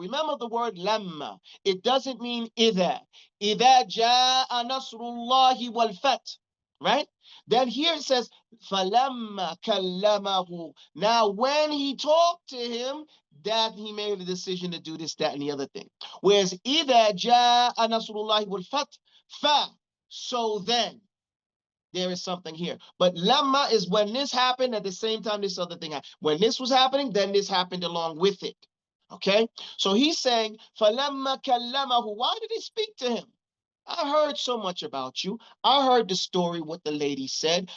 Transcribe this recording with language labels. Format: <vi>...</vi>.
<en>Remember the word لَمَّا. It doesn't mean إِذَا.</en> <ar>إِذَا جَاءَ نَصْرُ اللَّهِ وَالْفَتْ. Right?</ar> <en>Then here it says,</en> <ar>فَلَمَّا كَلَّمَهُ.</ar> <en>Now when he talked to him, that he made the decision to do this, that, and the other thing. Whereas</en> <ar>إِذَا جَاءَ نَصْرُ اللَّهِ وَالْفَتْ. Fa.</ar> <en>So then, there is something here. But lama is when this happened, at the same time this other thing happened. When this was happening, then this happened along with it. Okay? So he's saying,</en> <ar>فَلَمَّا كَلَّمَهُ.</ar> <en>Why did he speak to him? I heard so much about you. I heard the story, what the lady said.</en>